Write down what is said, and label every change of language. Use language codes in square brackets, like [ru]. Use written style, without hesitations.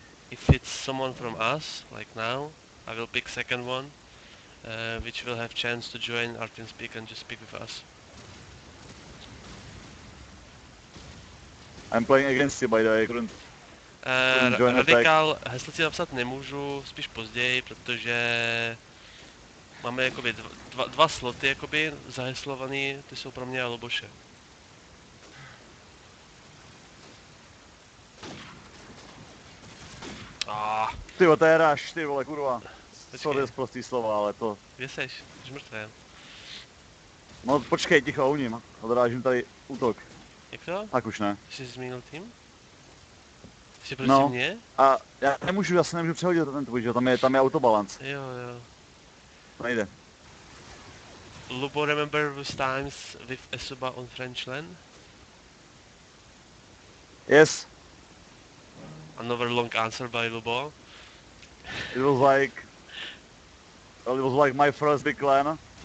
[en] If it's someone from us, like now, I will pick second one, which will have chance to join our team speak and just speak with us. I'm playing against you, by the way, couldn't join [cs] Radikal, heslo si napsat nemůžu, spíš později, protože... Máme jakoby dva sloty jakoby zaheslovaný, ty jsou pro mě a Loboše. Ty to je rush, ty vole kurva. Počkej. Sorry, zprostý slova, ale to... Kde seš? Jsi mrtvý. No počkej, ticho, ouním. Odrážím tady útok. Jak to? Tak už ne. Jsi zmínil tým? Jsi proti mě? A já nemůžu, já se nemůžu přehodit ten tvůj, že tam je autobalance. Jo. Nejde. [en] Lubo, remember those times with Esuba on French LAN? Yes. Another long answer by Lubo. It was like... Well, it was like my first big LAN.